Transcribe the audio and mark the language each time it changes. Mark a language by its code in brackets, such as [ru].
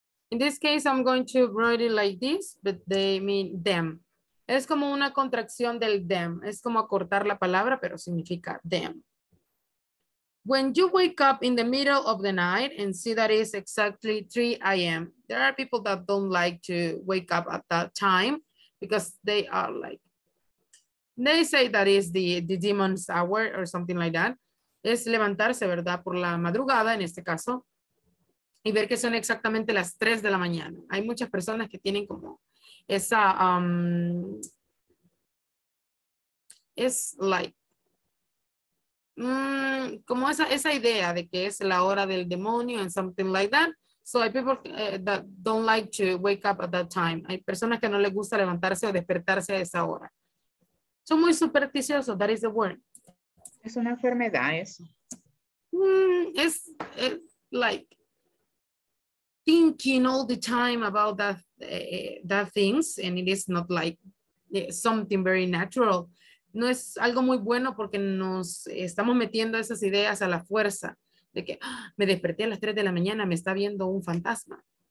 [en] In this case, I'm going to write it like this, but they mean them. [es] Es como una contracción del them. Es como acortar la palabra, pero significa them. [en] When you wake up in the middle of the night and see that it's exactly 3 a.m., there are people that don't like to wake up at that time because they are like, they say that is the demon's hour or something like that. [es] Es levantarse, ¿verdad? Por la madrugada, en este caso, y ver que son exactamente las 3 de la mañana. Hay muchas personas que tienen como esa, es like, como esa idea de que es la hora del demonio [en] and something like that. So hay people that don't like to wake up at that time. [es] Hay personas que no les gusta levantarse o despertarse a esa hora. Son muy supersticiosos, [en] that is the word. [es] Es una enfermedad eso. [en] Es like thinking all the time about that things, and it is not like something very natural. [es] No es algo muy bueno porque nos estamos metiendo esas ideas a la fuerza de que me desperté a las 3 de la mañana, me está viendo un fantasma.